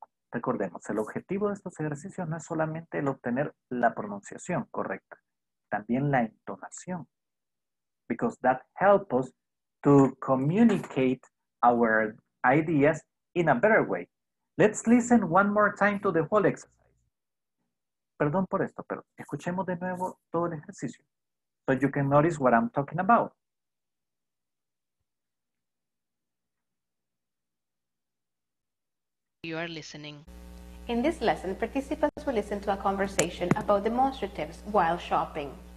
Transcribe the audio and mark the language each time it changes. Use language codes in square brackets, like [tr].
[es] Recordemos, el objetivo de estos ejercicios no es solamente el obtener la pronunciación correcta, también la intonación. [en] Because that helps us to communicate our ideas in a better way. Let's listen one more time to the whole exercise. [es] Perdón por esto, pero escuchemos de nuevo todo el ejercicio. [en] So you can notice what I'm talking about. You are listening. In this lesson, participants will listen to a conversation about demonstratives while shopping.